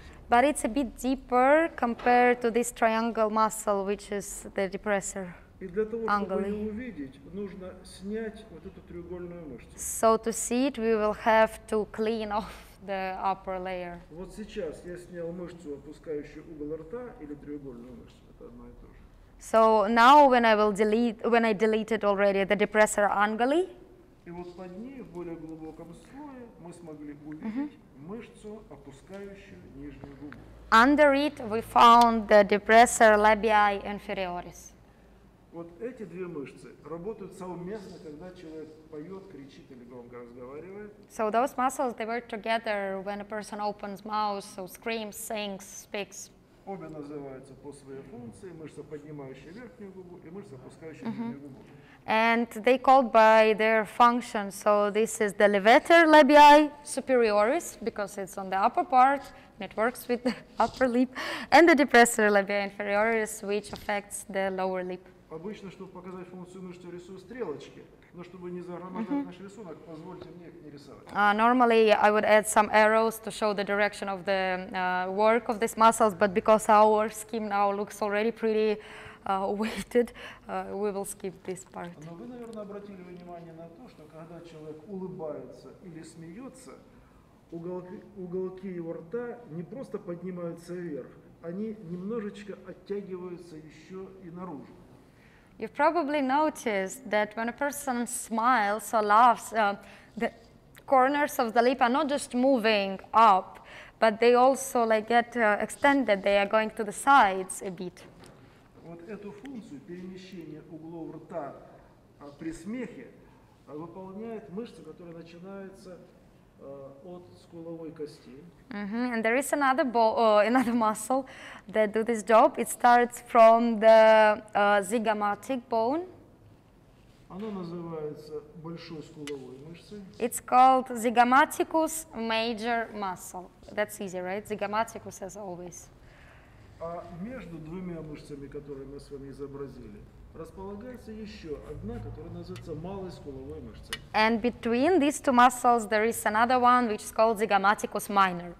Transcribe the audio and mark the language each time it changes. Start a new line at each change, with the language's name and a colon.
English: But it's a bit deeper compared to this triangle muscle, which is the depressor.
Russian: И для того, чтобы ее увидеть, нужно снять вот эту треугольную мышцу.
English: So to see it, we will have to clean off the upper layer.
Russian: Вот сейчас я снял мышцу, опускающую угол рта, или треугольную мышцу. Это одно и то же.
English: So now when I will delete, when I deleted already the depressor unguli.
Russian: И вот под ней в более глубоком слое мы смогли увидеть мышцу, опускающую нижнюю губу.
English: Under it we found the depressor labii inferioris.
Russian: Вот эти две мышцы работают совместно, когда человек поет, кричит или громко разговаривает.
English: So those muscles, they work together when a person opens mouth, so screams, sings, speaks.
Russian: Обе называются по своей функции, мышца, поднимающая верхнюю губу, и мышца, опускающая нижнюю губу.
English: And they called by their function. So this is the levator labii superioris, because it's on the upper part, and it works with the upper lip, and the depressor labii inferioris, which affects the lower lip.
Russian: Обычно, чтобы показать функцию мышцы, рисую стрелочки, но чтобы не загромождать наш рисунок, позвольте мне их не рисовать.
English: Normally, I would add some arrows to show the direction of the work of these muscles, but because our scheme now looks already pretty weighted, we will skip this part.
Russian: Но вы, наверное, обратили внимание на то, что когда человек улыбается или смеется, уголки его рта не просто поднимаются вверх, они немножечко оттягиваются еще и наружу.
English: You've probably noticed that when a person smiles or laughs, the corners of the lip are not just moving up, but they also like get extended. They are going to the sides a bit.
Russian: Вот эту функцию перемещения углов рта при смехе выполняет мышца, которая начинается от скуловой кости.
English: And there is another muscle that do this job. It starts from the zygomatic bone.
Russian: Оно называется большой скуловой мышцей.
English: It's called zygomaticus major muscle. That's easy, right? Zygomaticus as always.
Russian: А между двумя мышцами, которые мы с вами изобразили, располагается еще одна, которая называется малой скуловой мышцей.
English: And between these two muscles there is another one which is called zygomaticus minor.